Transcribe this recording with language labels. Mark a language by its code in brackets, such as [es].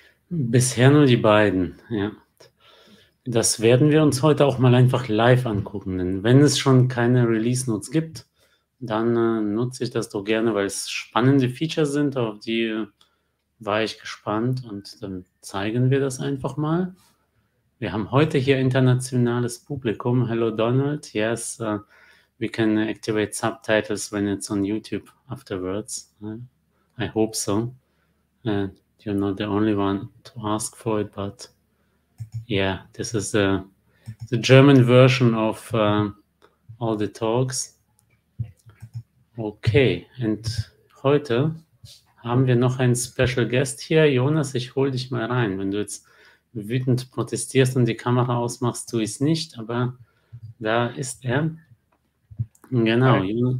[de] Bisher nur die beiden, ja. Das werden wir uns heute auch mal einfach live angucken. Denn wenn es schon keine Release-Notes gibt, dann nutze ich das doch gerne, weil es spannende Features sind, auf die war ich gespannt und dann zeigen wir das einfach mal. Wir haben heute hier internationales Publikum. [en] Hello Donald. Yes, we can activate subtitles when it's on YouTube afterwards. I hope so. You're not the only one to ask for it, but yeah, this is the German version of all the talks. Okay, and [de] heute haben wir noch einen Special Guest hier? Jonas, ich hole dich mal rein. Wenn du jetzt wütend protestierst und die Kamera ausmachst, tue ich es nicht, aber da ist er. Genau, Hi.